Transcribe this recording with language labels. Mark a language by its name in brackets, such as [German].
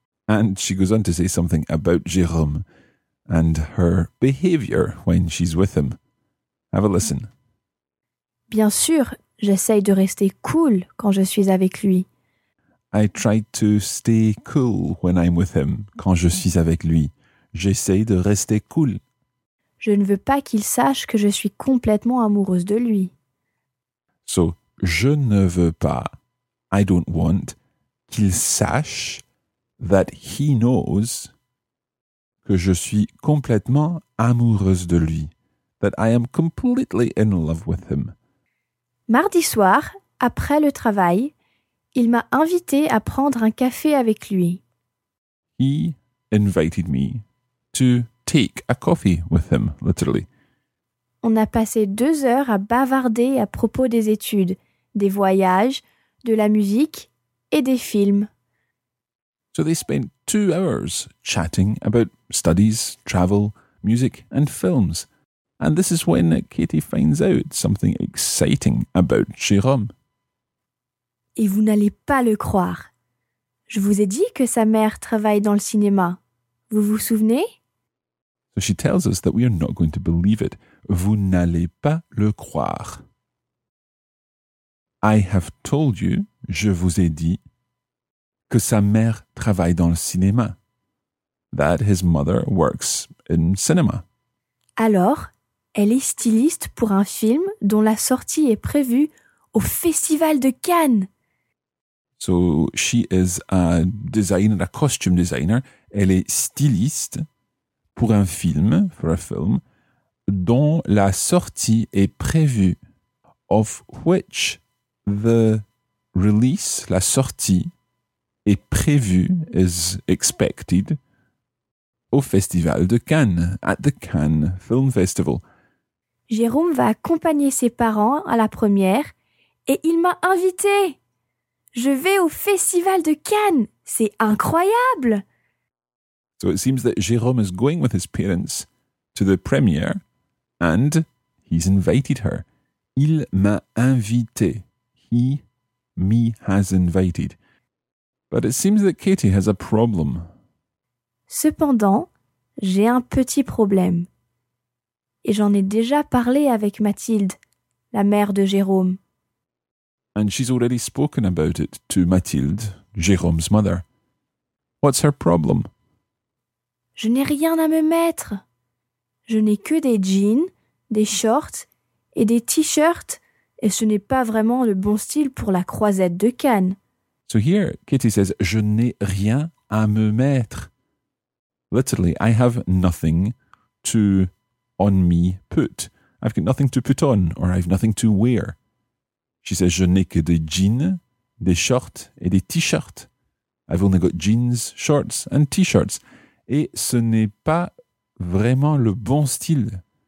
[English] And she goes on to say something about Jérôme and her behavior when she's with him. Have a listen. [French] Bien sûr, j'essaye de rester cool quand je suis avec lui. [English] I try to stay cool when I'm with him, [French] quand je suis avec lui. J'essaye de rester cool. Je ne veux pas qu'il sache que je suis complètement amoureuse de lui. [English] So, [French] je ne veux pas, [English] I don't want, [French] qu'il sache, [English] that he knows, [French] que je suis complètement amoureuse de lui, [English] that I am completely in love with him. [French] Mardi soir, après le travail, il m'a invité à prendre un café avec lui. [English] He invited me to take a coffee with him, literally. [French] On a passé 2 heures à bavarder à propos des études, des voyages, de la musique et des films. [English] So they spent 2 hours chatting about studies, travel, music and films. And this is when Katie finds out something exciting about Jérôme. [French] Et vous n'allez pas le croire. Je vous ai dit que sa mère travaille dans le cinéma. Vous vous souvenez? [English] So she tells us that we are not going to believe it. [French] Vous n'allez pas le croire. [English] I have told you, [French] je vous ai dit, que sa mère travaille dans le cinéma. [English] That his mother works in cinema. [French] Alors, elle est styliste pour un film dont la sortie est prévue au Festival de Cannes. [English] So, she is a designer, a costume designer. [French] Elle est styliste pour un film, [English] for a film, [French] dont la sortie est prévue, [English] of which the release, [French] la sortie, est prévue, [English] is expected, [French] au Festival de Cannes, [English] at the Cannes Film Festival. [French] Jérôme va accompagner ses parents à la première et il m'a invité. Je vais au Festival de Cannes, c'est incroyable! [English] So it seems that Jérôme is going with his parents to the premiere and he's invited her. [French] Il m'a invité. [English] He, me, has invited. But it seems that Katie has a problem. [French] Cependant, j'ai un petit problème. Et j'en ai déjà parlé avec Mathilde, la mère de Jérôme. [English] And she's already spoken about it to Mathilde, Jérôme's mother. What's her problem? [French] Je n'ai rien à me mettre. Je n'ai que des jeans, des shorts et des t-shirts et ce n'est pas vraiment le bon style pour la croisette de Cannes. [English] So here, Katie says, [French] je n'ai rien à me mettre. [English] Literally, I have nothing to on me put. I've got nothing to put on or I've nothing to wear. She says, [French] je n'ai que des jeans, des shorts et des t-shirts. [English] I've only got jeans, shorts and t-shirts. [French] Et ce n'est pas vraiment le bon style.